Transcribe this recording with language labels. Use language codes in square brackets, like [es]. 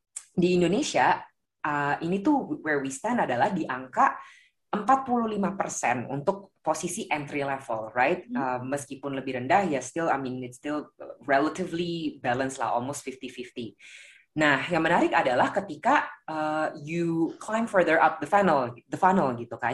[id] Di Indonesia, ini tuh [en] where we stand [id] adalah di angka 45% untuk posisi entry level, right? Meskipun lebih rendah, [en] ya still, I mean, it's still relatively balanced lah, almost 50-50. [id] Nah, yang menarik adalah ketika [en] you climb further up the funnel [id] gitu kan.